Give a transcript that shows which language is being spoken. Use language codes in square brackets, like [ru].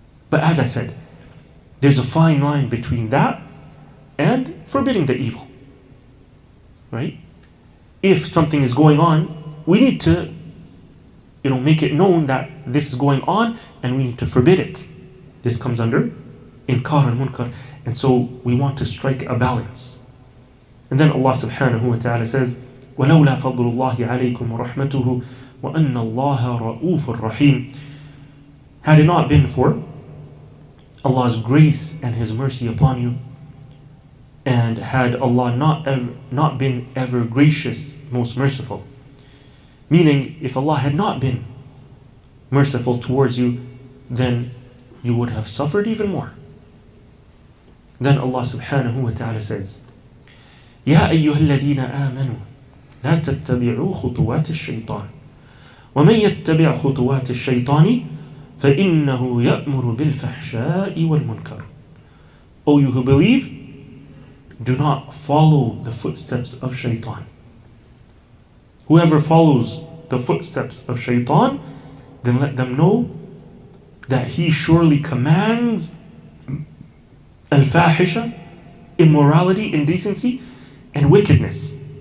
[en] But as I said, there's a fine line between that and forbidding the evil, right? If something is going on, we need to, you know, make it known that this is going on, and we need to forbid it. This comes under inkar and munkar. And so we want to strike a balance. And then Allah subhanahu wa ta'ala says, [ar] وَلَوْلَا فَضْلُ اللَّهِ عَلَيْكُمْ وَرَحْمَتُهُ وَأَنَّ اللَّهَ رَؤُوفٌ رَحِيمٌ. [en] Had it not been for Allah's grace and His mercy upon you, and had Allah not been ever gracious, most merciful, meaning if Allah had not been merciful towards you, then you would have suffered even more. Then Allah subhanahu wa ta'ala says, [ar] يَا أَيُّهَا الَّذِينَ آمَنُوا لَا تَتَّبِعُوا خُطُوَاتِ الشَّيْطَانِ وَمَنْ يَتَّبِعُ خُطُوَاتِ الشَّيْطَانِ فَإِنَّهُ يَأْمُرُ بِالْفَحْشَاءِ وَالْمُنْكَرِ. [en] O you who believe, do not follow the footsteps of shaitan. Whoever follows the footsteps of shaitan, then let them know that he surely commands al-fahisha, immorality, indecency, and wickedness.